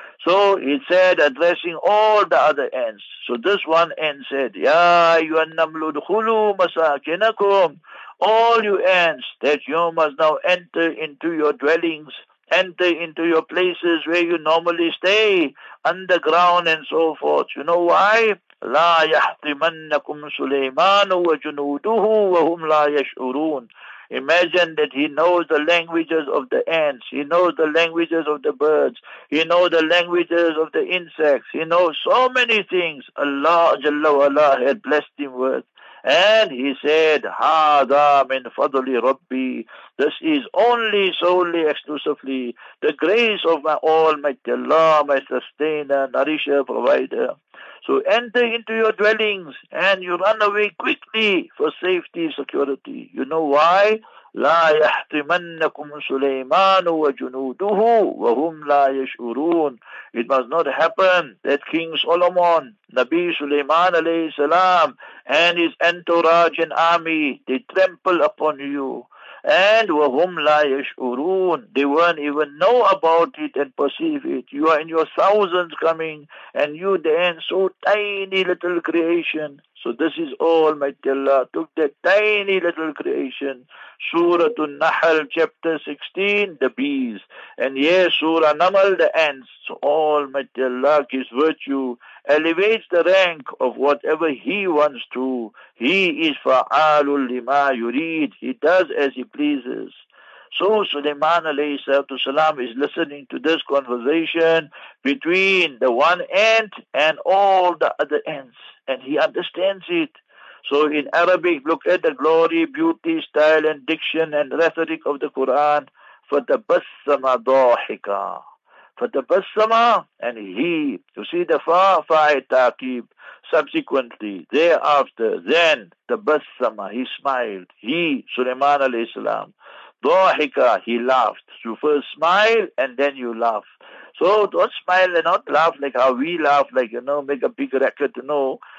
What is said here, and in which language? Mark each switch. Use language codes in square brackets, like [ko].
[en] So it said, addressing all the other ants. So this one ant said, [ar] ya ayyuhan namlu dukhulu masakinakum. [en] All you ants, that you must now enter into your dwellings. Enter into your places where you normally stay, underground and so forth. You know why? [ar] لا يحطمنكم سليمان وجنوده وهم لا يشعرون. [en] Imagine that he knows the languages of the ants. He knows the languages of the birds. He knows the languages of the insects. He knows so many things Allah, Jalla wa Ala, had blessed him with. And he said, [ar] "Hada min fadli Rabbi." [en] This is only, solely, exclusively the grace of my Almighty Allah, my sustainer, nourisher, provider. So enter into your dwellings and you run away quickly for safety, security. You know why? [ar] لا يحطمنكم سليمان وجنوده وهم لا يشعرون. [en] It must not happen that King Solomon, Nabi Sulaiman alayhi salam, and his entourage and army, they trample upon you. And [ar] وهم لا يشعرون. [en] They won't even know about it and perceive it. You are in your thousands coming, and you then so tiny little creation. So this is all, my Allah took that tiny little creation. Surah An-Nahl, chapter 16, the bees. And yes, Surah An-Naml, the ants. So all, my Allah, his virtue elevates the rank of whatever he wants to. He is [ar] fa'alul lima yurid. [en] He does as he pleases. So Sulaiman alayhi salam is listening to this conversation between the one ant and all the other ants. And he understands it. So in Arabic, look at the glory, beauty, style, and diction, and rhetoric of the Quran. [ar] فَتَبَسَّمَ ضَاحِكَ فَتَبَسَّمَ [en] and he. You see the fa, fa'i taqib. Subsequently, thereafter, then, تَبَسَّمَ he smiled. He, Sulaiman alayhi salam. ضَاحِكَ he laughed. You first smile, and then you laugh. So don't smile and not laugh like how we laugh, like, you know, make a big record, you know.